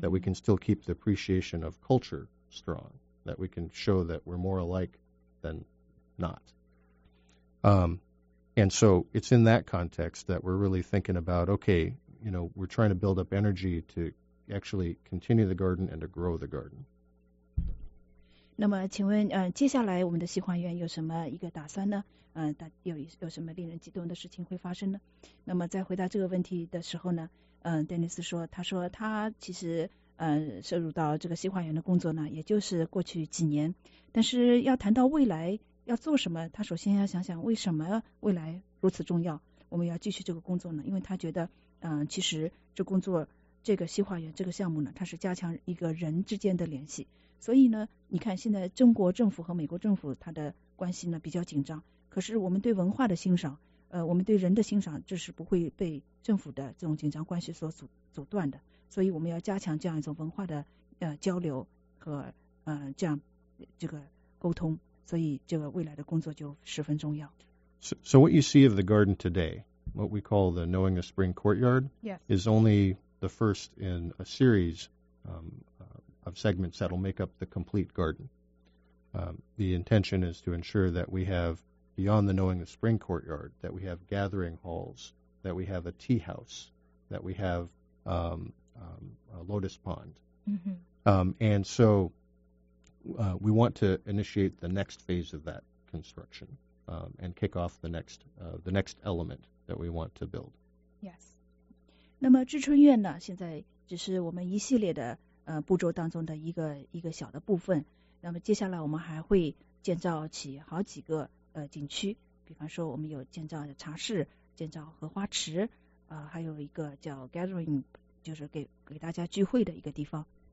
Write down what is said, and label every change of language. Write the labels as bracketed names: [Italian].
[English] that we can still keep the appreciation of culture strong, that we can show that we're more alike than not. And so it's in that context that we're really thinking about, okay, you know, we're trying to build up energy to actually continue the garden and to grow the garden. [Chinese] 那么请问接下来我们的西环园有什么一个打算呢有什么令人激动的事情会发生呢那么在回答这个问题的时候呢丹尼斯说他说他其实涉入到这个西环园的工作呢也就是过去几年但是要谈到未来要做什么他首先要想想为什么未来如此重要我们要继续这个工作呢因为他觉得其实这工作这个西环园这个项目呢它是加强一个人之间的联系所以呢你看现在中国政府和美国政府它的关系呢比较紧张可是我们对文化的欣赏我们对人的欣赏这是不会被政府的这种紧张关系所阻断的所以我们要加强这样一种文化的交流和这样这个沟通所以这个未来的工作就十分重要 [English] So what you see of the garden today what we call the Knowing the Spring Courtyard、 yes. is only the first in a seriesof segments that will make up the complete garden. The intention is to ensure that we have, beyond the Knowing the Spring Courtyard, that we have gathering halls, that we have a tea house, that we have a lotus pond. Mm-hmm. And so we want to initiate the next phase of that construction and kick off the next element that we want to build. Yes. [Chinese] 那么知春院呢现在只是我们一系列的步骤当中的一个小的部分那么接下来我们还会建造起好几个景区比方说我们有建造的茶室建造荷花池还有一个叫 gathering 就是给大家聚会的一个地方